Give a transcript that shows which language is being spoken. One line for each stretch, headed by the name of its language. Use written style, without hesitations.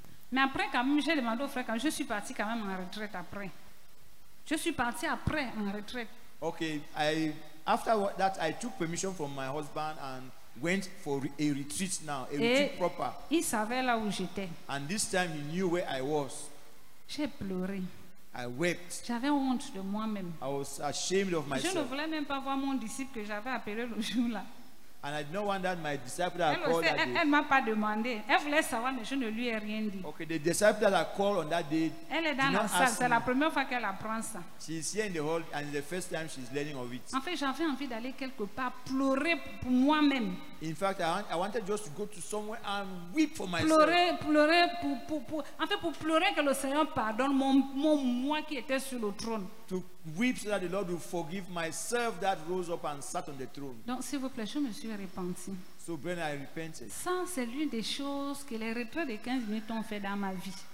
French: Mais après quand même, j'ai demandé au frère quand je suis parti quand même en retraite après. Je suis parti après en retraite.
English: Okay, After that, I took permission from my husband and went for a retreat now, a retreat proper.
French: Il savait là où j'étais.
English: And this time, he knew where I was.
French: J'ai pleuré.
English: I wept.
French: J'avais honte de moi-même.
English: I was ashamed of myself.
French: Je ne voulais même pas voir mon disciple que j'avais appelé le jour-là.
English: And I did not want that my disciple that I called that day.
French: Elle ne m'a pas demandé. Elle voulait savoir, mais je ne lui ai rien dit.
English: Okay, the disciple that I called on that day.
French: Elle est dans la salle. C'est la première fois qu'elle apprend ça.
English: She is here in the hall, and it's the first time she's learning of it.
French: En fait, j'avais envie d'aller quelque part pleurer pour moi-même.
English: In fact, I wanted just to go to somewhere and weep for myself.
French: Pleurer pour pleurer que le Seigneur pardonne mon moi qui était sur le trône.
English: To weep so that the Lord will forgive myself that rose up and sat on the throne.
French: Donc, s'il vous plaît, je me suis repenti.
English: So, Ben, I repented.
French: Ça, c'est l'une des choses que les retraits de 15 minutes ont fait dans ma vie.